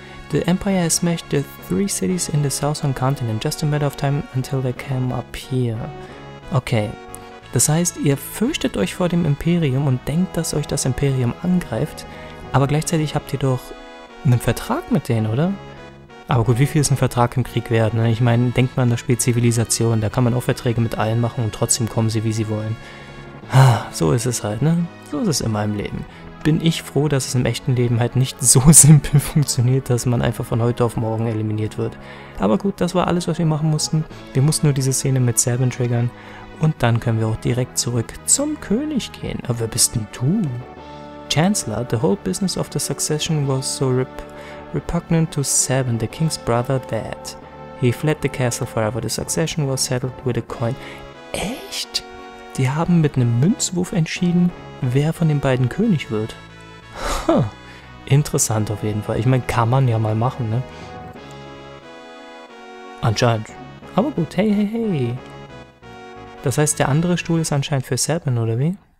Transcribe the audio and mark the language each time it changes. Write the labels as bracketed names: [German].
[English] The Empire has smashed the three cities in the southern continent. Just a matter of time until they came up here. Okay. [German] Das heißt, ihr fürchtet euch vor dem Imperium und denkt, dass euch das Imperium angreift, aber gleichzeitig habt ihr doch einen Vertrag mit denen, oder? Aber gut, wie viel ist ein Vertrag im Krieg wert, ne? Ich meine, denkt man an das Spiel Zivilisation, da kann man auch Verträge mit allen machen und trotzdem kommen sie, wie sie wollen. Ah, so ist es halt, ne? So ist es in meinem Leben. Bin ich froh, dass es im echten Leben halt nicht so simpel funktioniert, dass man einfach von heute auf morgen eliminiert wird. Aber gut, das war alles, was wir machen mussten. Wir mussten nur diese Szene mit Sabin triggern. Und dann können wir auch direkt zurück zum König gehen. Aber wer bist denn du? [English] Chancellor, the whole business of the succession was so repugnant to Sabin, the king's brother, that he fled the castle forever. The succession was settled with a coin. [German] Echt? Die haben mit einem Münzwurf entschieden, wer von den beiden König wird. Huh. Interessant auf jeden Fall. Ich meine, kann man ja mal machen, ne? Anscheinend. Aber gut, hey, hey, hey. Das heißt, der andere Stuhl ist anscheinend für Sabin, oder wie?